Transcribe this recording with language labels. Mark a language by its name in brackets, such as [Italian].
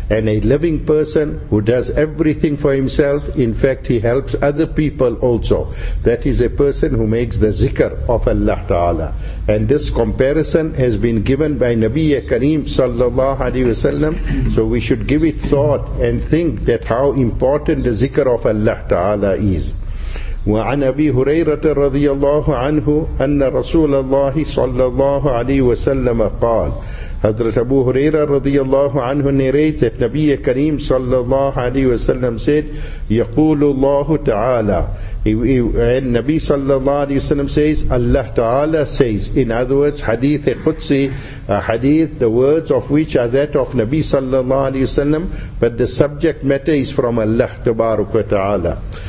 [English] And a living person who does everything for himself, in fact he helps other people also, that is a person who makes the zikr of Allah Ta'ala. And this comparison has been given by Nabiyyi Kareem sallallahu alayhi wa sallam. So we should give it thought and think that how important the zikr of Allah Ta'ala is. [Arabic] وعن أبي هريرة رضي الله عنه أن رسول الله صلى الله عليه وسلم قال. [English] Hazrat Abu Huraira radiyallahu anhu narrates that Nabi Kareem sallallahu alayhi wa sallam said, [Arabic] يقول الله تعالى. [English] And Nabi sallallahu alayhi wa sallam says, Allah Ta'ala says, in other words, hadith al-Qudsi, a hadith, the words of which are that of Nabi sallallahu alayhi wa sallam, but the subject matter is from Allah tabaruk wa ta'ala.